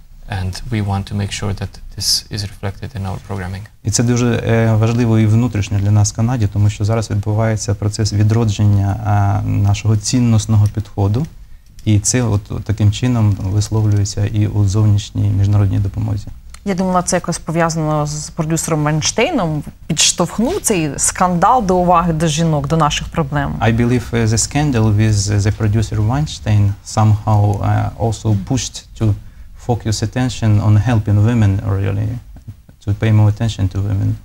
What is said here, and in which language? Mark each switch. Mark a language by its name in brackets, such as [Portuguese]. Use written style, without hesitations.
[English] And we want to make sure that this is reflected in our programming. [Ukrainian] І це дуже важливо і внутрішньо для нас в Канаді, тому що зараз відбувається процес відродження нашого цінностного підходу. І це от таким чином висловлюється і у зовнішній міжнародній допомозі. Я думала, це якось пов'язано з продюсером Вайнштейном, підштовхнув цей скандал до уваги до жінок, до наших проблем. [English] I believe the scandal with the producer Weinstein somehow also pushed to focus attention on helping women, really, to pay more attention to women.